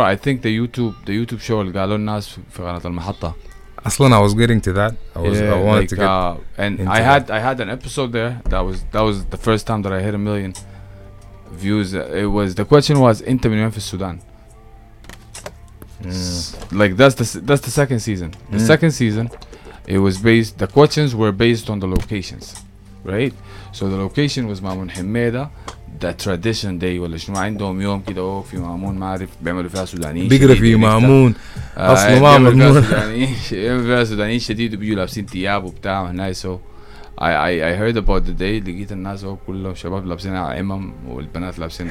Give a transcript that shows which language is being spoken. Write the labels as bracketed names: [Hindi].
[English] I think the YouTube show [Arabic] اللي قالوا الناس في قناة المحطة. [English] Aslan, I was getting to that. I had an episode there. That was the first time that I hit a million views. It was the question was [Arabic] "Inta min wen fi Sudan." [English] Like that's the second season. The second season, it was based. The questions were based on the locations, right? So the location was Mamun Himeda. [Arabic] The tradition day ولا شنو عندهم يوم كده أو في مامون ما أعرف بيعملوا فيها سودانيين بيقرأ في مامون أصلا ما مامون بيعملوا فيها سودانيين شديد وبيجوا لابسين تياب وبتاع هناي [English] so I heard about the day [Arabic] لقيت الناس كلهم شباب لابسين عمم والبنات لابسين